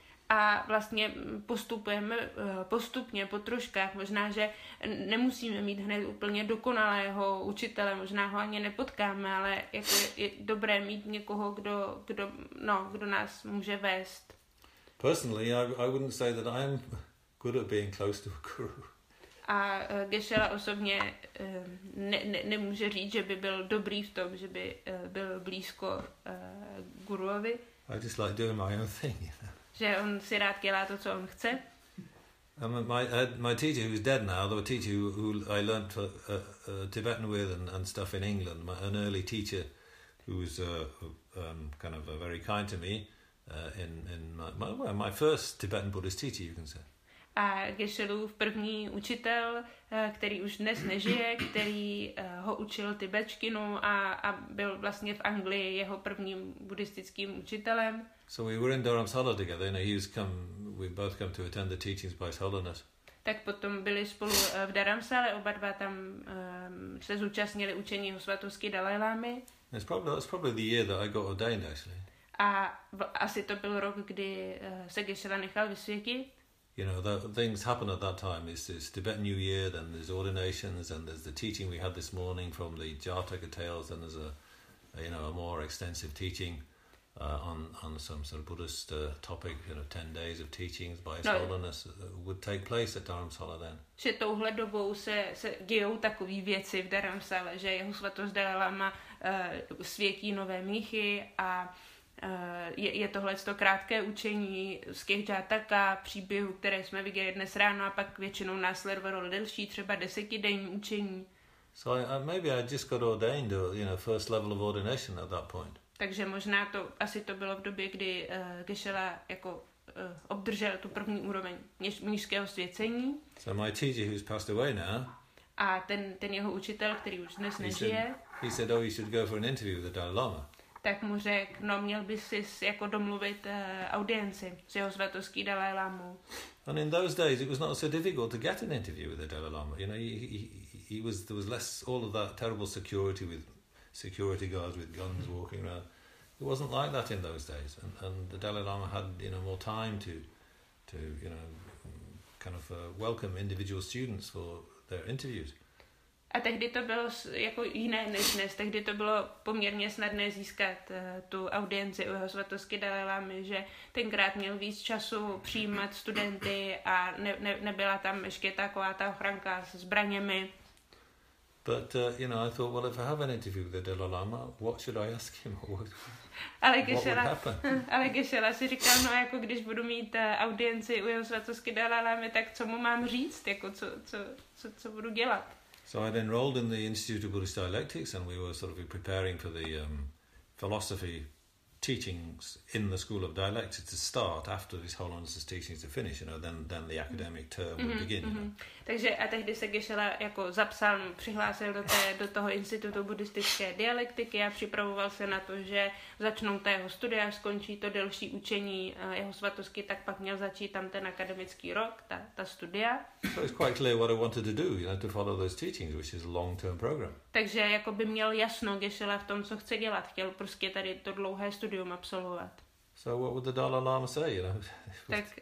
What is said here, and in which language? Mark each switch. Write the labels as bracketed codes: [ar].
[cs] A vlastně postupujeme postupně po troškách. Možná že nemusíme mít hned úplně dokonalého učitele, možná ho ani nepotkáme, ale jako je dobré mít někoho, kdo nás může vést. [en] Personally, I wouldn't say that I'm good at being close to a guru. [cs] A Geshe-la osobně nemůže říct, že by byl dobrý v tom, že by byl blízko guruovi. [en] I just like doing my own thing, you know. [cs] Že on si rád dělá to, co on chce. [en] My teacher, who's dead now, the teacher who I learned Tibetan with and stuff in England, an early teacher who was kind of very kind to me in my first Tibetan Buddhist teacher, you can say. [cs] A Geshe-lův první učitel, který už dnes nežije, který ho učil tibetčkinu a byl vlastně v Anglii jeho prvním buddhistickým učitelem. [en] So we were in Dharamsala together, you know, we both come to attend the teachings by His Holiness. [cs] Tak potom byli spolu v Dharamsale, oba dva tam se zúčastnili učení Jeho svatosti Dalai Lamy. [en] That's probably the year that I got ordained, actually. [cs] A asi to byl rok, kdy se Geshe-la nechal vysvětit. [en] You know, the things happen at that time. It's Tibetan New Year, then there's ordinations, and there's the teaching we had this morning from the Jataka tales, and there's a more extensive teaching on some sort of Buddhist topic, you know, 10 days of teachings by His Holiness would take place at Dharamsala then. [cs] Že touhle dobou se dějou takové věci v Dharamsale, že Jeho svatost Dalai Lama světí nové mnichy a je tohle to krátké učení z těch Jataka příběhů, které jsme viděli dnes ráno a pak většinou následovalo delší, třeba 10-denní učení. [en] So maybe I just got ordained, you know, first level of ordination at that point. [cs] Takže možná to asi to bylo v době, kdy Geshe-la jako obdržel tu první úroveň mnišského svěcení. [en] So my teacher, who's passed away now, [cs] a ten jeho učitel, který už dnes nežije, [en] he said, oh, you should go for an interview with the Dalai Lama. [cs] Tak mu řekl, no, měl bys si jako domluvit audienci s jeho svatostí Dalai Lamou. [en] And in those days it was not so difficult to get an interview with the Dalai Lama. You know, there was less all of that terrible security with security guards with guns walking around. It wasn't like that in those days, and the Dalai Lama had, you know, more time to you know kind of welcome individual students for their interviews. [cs] A tehdy to bylo jako jiné než dnes. Tehdy to bylo poměrně snadné získat tu audienci u jeho svatosti Dalai Lamy, že tenkrát měl víc času přijímat studenty a nebyla tam ještě taková ta ochranka s zbraněmi. [en] But you know, I thought, well, if I have an interview with the Dalai Lama, what should I ask him? What would happen? [cs] Ale Geshe-la si říkal, no, jako když budu mít audienci u jeho svatosti Dalai Lamy, tak co mu mám říct, jako co budu dělat? [en] So I'd enrolled in the Institute of Buddhist Dialectics, and we were sort of preparing for the philosophy teachings in the School of Dialectics to start after His Holiness's teachings to finish, you know, then the academic term would begin. [cs] Takže a tehdy se Geshe-la jako zapsal, přihlásil do toho institutu buddhistické dialektiky a připravoval se na to, že začnou ta jeho studia, skončí to delší učení jeho svatosti, tak pak měl začít tam ten akademický rok, ta studia. [en] So it's quite clear what I wanted to do, you know, to follow those teachings, which is a long-term program. [cs] Takže jako by měl jasno Geshe-la v tom, co chce dělat, chtěl prostě tady to dlouhé studium absolvovat. [en] So what would the Dalai Lama say, you know?